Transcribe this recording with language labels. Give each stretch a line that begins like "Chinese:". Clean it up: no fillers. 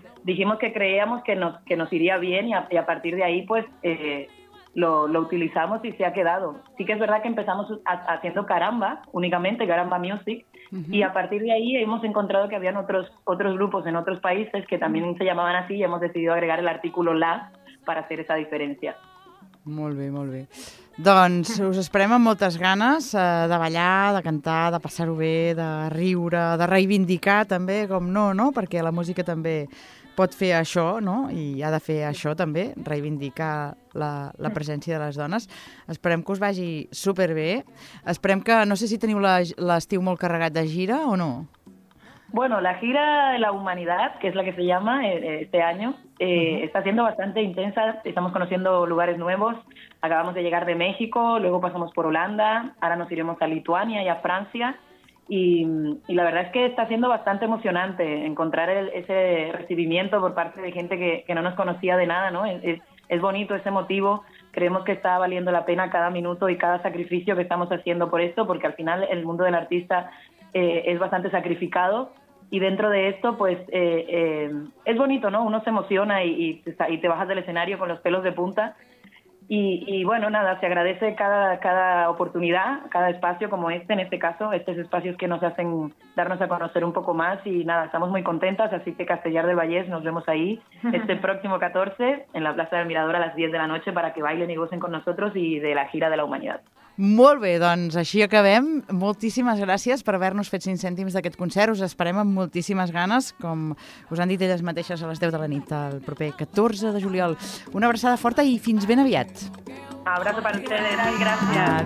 Spanish: Dijimos que creíamos que nos iría bien y a partir de ahí pues lo utilizamos y se ha quedado. Sí que es verdad que empezamos haciendo caramba únicamente, caramba music, uh-huh. Y a partir de ahí hemos encontrado que habían otros grupos en otros países que también se llamaban así y hemos decidido agregar el artículo la para hacer esa diferencia.
Catalan: Molt bé, molt bé. Doncs us esperem amb moltes ganes de ballar, de cantar, de passar-ho bé, de riure, de reivindicar també, com no? Perquè la música també pot fer això, no? I ha de fer això també, reivindicar la presència de les dones. Esperem que us vagi superbé. Esperem que, no sé si teniu l'estiu molt carregat de gira o no?
Spanish: Bueno, la gira de la humanidad, que es la que se llama este año, uh-huh. Está siendo bastante intensa. Estamos conociendo lugares nuevos. Acabamos de llegar de México, luego pasamos por Holanda, ahora nos iremos a Lituania y a Francia. Y la verdad es que está siendo bastante emocionante encontrar ese recibimiento por parte de gente que no nos conocía de nada, ¿no? Es bonito, es emotivo. Creemos que está valiendo la pena cada minuto y cada sacrificio que estamos haciendo por esto, porque al final el mundo del artista es bastante sacrificado y dentro de esto pues es bonito, ¿no? Uno se emociona y te bajas del escenario con los pelos de punta y bueno, nada, se agradece cada oportunidad, cada espacio como este en este caso, estos espacios que nos hacen darnos a conocer un poco más y nada, estamos muy contentas, así que Castellar del Vallès, nos vemos ahí este próximo 14 en la Plaza del Mirador a las 10 de la noche para que bailen y gocen con nosotros y de la gira de la humanidad.
Catalan: Molt bé, doncs així acabem. Moltíssimes gràcies per haver-nos fet 5 cèntims d'aquest concert. Us esperem amb moltíssimes ganes, com us han dit elles mateixes a les 10 de la nit, el proper 14 de juliol. Una abraçada forta i fins ben aviat. Abraço per ustedes, gràcies.